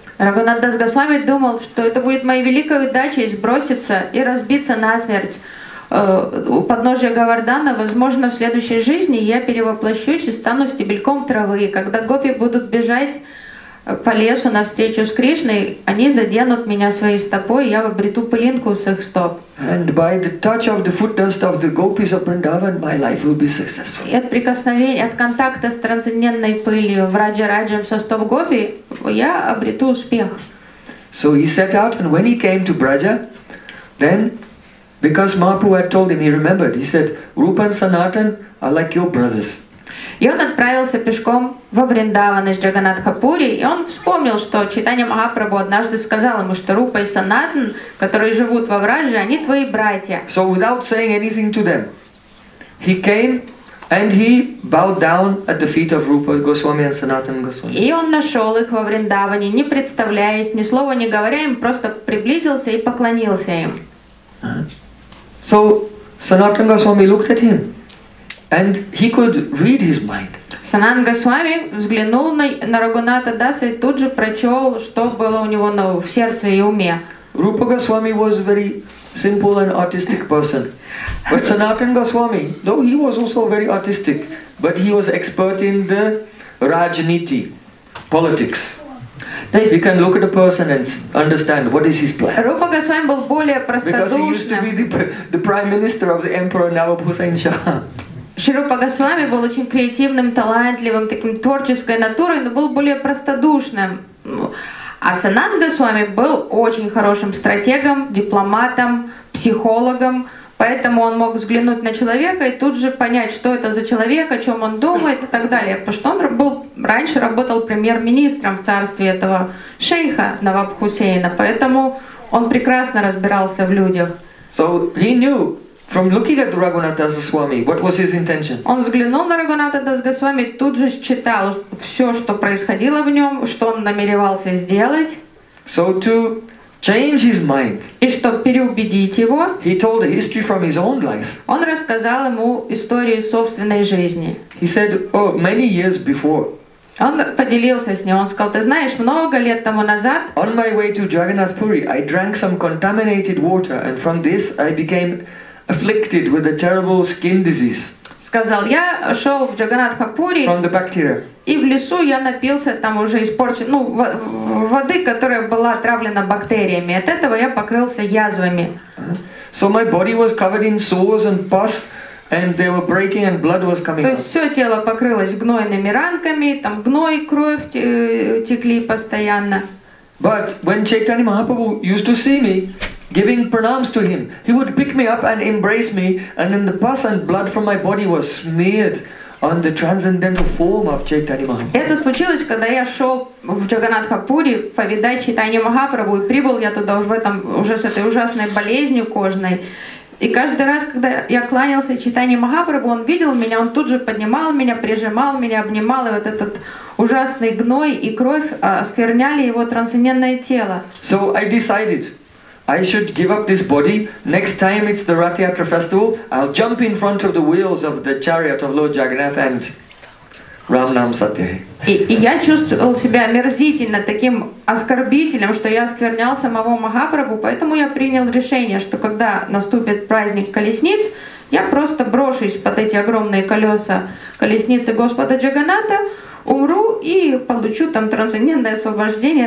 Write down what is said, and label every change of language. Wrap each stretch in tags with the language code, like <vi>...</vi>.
<ru>Рагунат Дас Госвами думал, что это будет моей великой удачей сброситься и разбиться насмерть у подножия Говардана. Возможно, в следующей жизни я перевоплощусь и стану стебельком травы. И когда гопи будут бежать по лесу навстречу с Кришной, они заденут меня своей стопой, и я обрету пылинку с их стоп.</ru> <en>And by the touch of the foot dust of the gopis of Vrindavan, my life will be successful.</en> <ru>И от прикосновения, от контакта с трансцендентной пылью в Раджа-Раджам со стоп гопи, я обрету успех.</ru> <en>So he set out, and when he came to Braja, then, because Mahaprabhu had told him, he remembered, he said, Rupa and Sanatan are like your brothers.</en> <ru>И он отправился пешком во Вриндаван из Джаганатхапури, и он вспомнил, что Чайтанья Махапрабху однажды сказал ему, что Рупа и Санатан, которые живут во Врадже, они твои братья.</ru> <en>So without saying anything to them, he came and he bowed down at the feet of Rupa Goswami and Sanatan Goswami.</en> <ru>И он нашел их во Вриндаване, не представляясь, ни слова не говоря им, просто приблизился и поклонился им.</ru> <en>So Sanatan Goswami looked at him. And he could read his mind.</en> <ru>Санатан Госвами взглянул на Рагуната Даса и тут же прочел, что было у него в сердце и уме.</ru> <en>Рупа Госвами was a very simple and artistic person. But Санатан Госвами, though he was also very artistic, but he was expert in the Rajniti, politics. He can look at a person and understand what is his plan.</en> <ru>Рупа Госвами был более простодушным.</ru> <en>Because he used to be the prime minister of the emperor Nawab Hussain Shah.</en> <ru>Шрупа Госвами был очень креативным, талантливым, таким творческой натурой, но был более простодушным. А Санатан Госвами был очень хорошим стратегом, дипломатом, психологом, поэтому он мог взглянуть на человека и тут же понять, что это за человек, о чем он думает и так далее. Потому что он был раньше работал премьер-министром в царстве этого шейха Наваб Хусейна, поэтому он прекрасно разбирался в людях.</ru> <en>So he knew. From looking at Raghunath Das Goswami, what was his intention?</en> <ru>Он взглянул на Рагуната Дас Госвами, тут же считал все, что происходило в нем, что он намеревался сделать.</ru> <en>So to change his mind.</en> <ru>И чтобы переубедить его.</ru> <en>He told a history from his own life.</en> <ru>Он рассказал ему историю собственной жизни.</ru> <en>He said, "Oh, many years before."</en> <ru>Он поделился с ним. Он сказал: "Ты знаешь, много лет тому назад."</ru> <en>On my way to Jagannath Puri, I drank some contaminated water, and from this I became afflicted with a terrible skin disease.</en> <ru>Сказал, я шел в Джаганатхапури.</ru> <en>From the bacteria.</en> <ru>И в лесу я напился там уже испорченной воды, которая была отравлена бактериями. От этого я покрылся язвами.</ru> <en>So my body was covered in sores and pus, and they were breaking, and blood was coming out.</en> <ru>То есть все тело покрылось гнойными ранками, там гной, кровь текли постоянно.</ru> <en>But when Chaitanya Mahaprabhu used to see me giving pranams to him, he would pick me up and embrace me, and then the pus and blood from my body was smeared on the transcendental form of Chaitanya Mahaprabhu.</en> <ru>Это случилось, когда я шел в Джаганатхапури повидать Чайтанью Махапрабху, и прибыл я туда уже в этом уже с этой ужасной болезнью кожной. И каждый раз, когда я кланялся Чайтанье Махапрабху, он видел меня, он тут же поднимал меня, прижимал меня, обнимал, и вот этот ужасный гной и кровь оскверняли его трансцендентное тело.</ru> <en>So I decided I should give up this body. Next time it's the Rath Yatra festival, I'll jump in front of the wheels of the chariot of Lord Jagannath and</en> <hi>Ram Nam Satyai.</hi> <ru>И я чувствовал себя омерзительно, таким оскорбителем, что я осквернял самого Махапрабху, поэтому я принял решение, что когда наступит праздник колесниц, я просто брошусь под эти огромные колеса колесницы Господа Джаганната, умру и получу там трансцендентное освобождение.</ru>